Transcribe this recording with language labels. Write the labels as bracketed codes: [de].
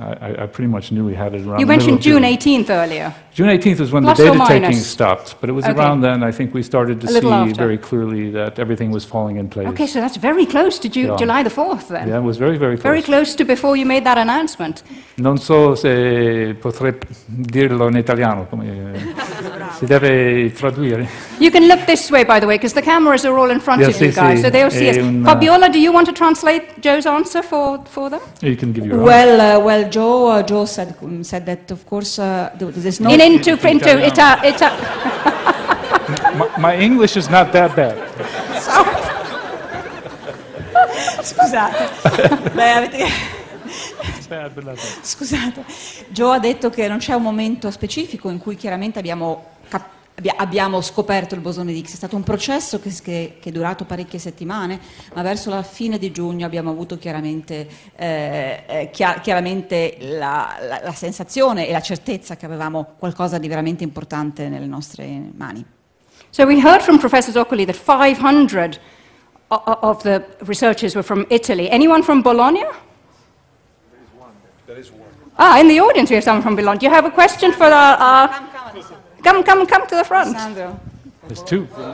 [en] I pretty much knew we had it around the middle of June. mentioned June 18th earlier. June 18th was when plus the data taking stopped, but it was okay. Around then I think we started to a see after. Very clearly that everything was falling in place. Okay, so that's very close to July the 4th then. Yeah, it was very, very close. Very close to before you made that announcement. [it] Non so se potrei dirlo in italiano, come si deve traduire. [en] You can look this way, by the way, because the cameras are all in front yes, of you guys, [it] sì. [en] So they'll see us. Fabiola, do you want to translate Joe's answer for them? You can give your well, well, Joe. Joe said that, of course, there's no... Into Italian. My English is not that bad. [it] Scusate. Beh, avete... [en] Bad, [it] scusate. Joe ha detto che non c'è un momento specifico in cui chiaramente abbiamo abbiamo scoperto il bosone di Higgs. È stato un processo che è durato parecchie settimane, ma verso la fine di giugno abbiamo avuto chiaramente la sensazione e la certezza che avevamo qualcosa di veramente importante nelle nostre mani. [en] So we heard from Professor Zoccoli that 500 of the researchers were from Italy. Anyone from Bologna? There is one. Ah, in the audience we have someone from Bologna. Do you have a question for our... Come to the front. Sandro. There's two.